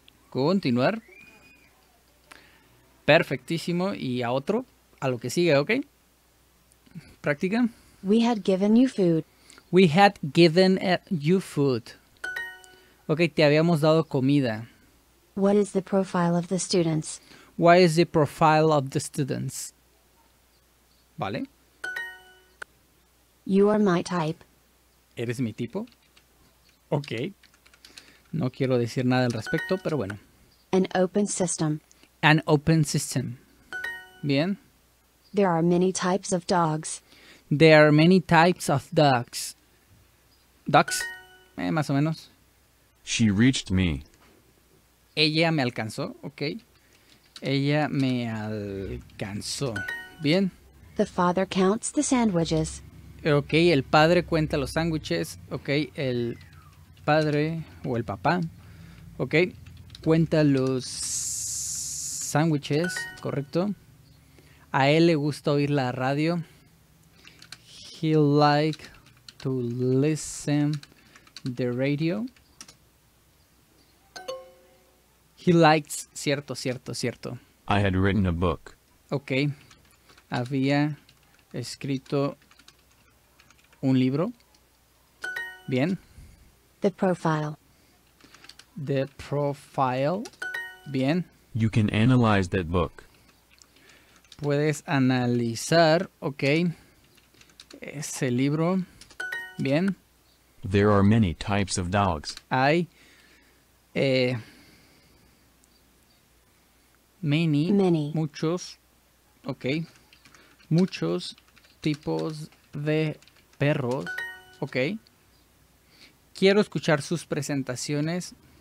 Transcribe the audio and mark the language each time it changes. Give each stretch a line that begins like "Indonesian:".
Spanish: Continuar. Perfectísimo. Y a otro. A lo que sigue, ok. Práctica.
English: We had given you food. We had given you food.
Spanish: Ok, te habíamos dado comida.
English: What is the profile of the students? What is the profile of the students?
Spanish: Vale.
English: You are my type.
Spanish: ¿Eres mi tipo? Ok. No quiero decir nada al respecto, pero bueno.
English: An open system. An open system.
Spanish: Bien.
English: There are many types of dogs. There are many types of dogs.
Spanish: Ducks, más o menos.
English: She reached me.
Spanish: Ella me alcanzó, ok. Ella me alcanzó. Bien.
English: The father counts the sandwiches.
Spanish: Ok, el padre cuenta los sándwiches. Ok, el padre o el papá. Ok, cuenta los sándwiches, correcto. A él le gusta oír la radio.
English: He like to listen the radio. He likes,
Spanish: cierto, cierto, cierto.
English: I had written a book.
Spanish: Ok. Había escrito un libro. Bien.
English: The profile. The profile.
Spanish: Bien.
English: You can analyze that book.
Spanish: Puedes analizar, ok, ese libro. Bien.
English: There are many types of dogs.
Spanish: Hay many, muchos, ok, muchos tipos de perros, ok. Quiero escuchar sus presentaciones.